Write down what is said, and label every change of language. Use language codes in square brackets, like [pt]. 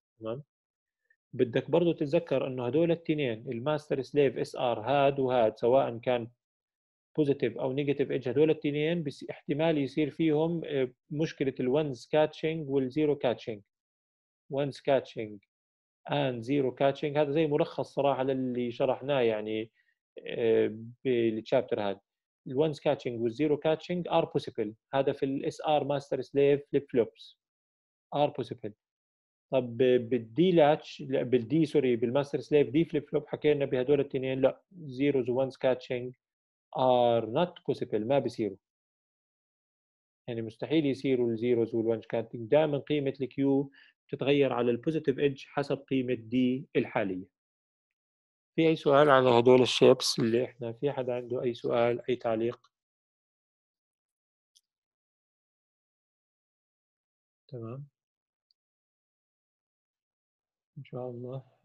[ar] تمام، بدك برضو تتذكر انه هدول التنين الماستر سليف اس ار، هاد وهاد، سواء كان بوزيتيف او نيجاتيف ادج، هدول التنين احتمال يصير فيهم مشكله الونز كاتشينج والزيرو كاتشينج. ونز كاتشينج [en] and zero catching، [ar] هذا زي مرخص صراحة للي شرحناه يعني بالشابتر هذا. [en] ال once catching وال zero catching are possible، [ar] هذا في ال [en] SR master slave flip flops are possible. [ar] طب بال D latch، بال D sorry، بال master slave D flip flop حكينا بهدول التنين لا، [en] zero and once catching are not possible، [ar] ما بيصيروا، يعني مستحيل يصيروا ال zero وال once catching. دائما قيمة ال Q تتغير على البوزيتيف ايدج حسب قيمه دي الحاليه. في اي سؤال على هدول الشيبس اللي احنا، في حد عنده اي سؤال اي تعليق؟ تمام ان شاء الله.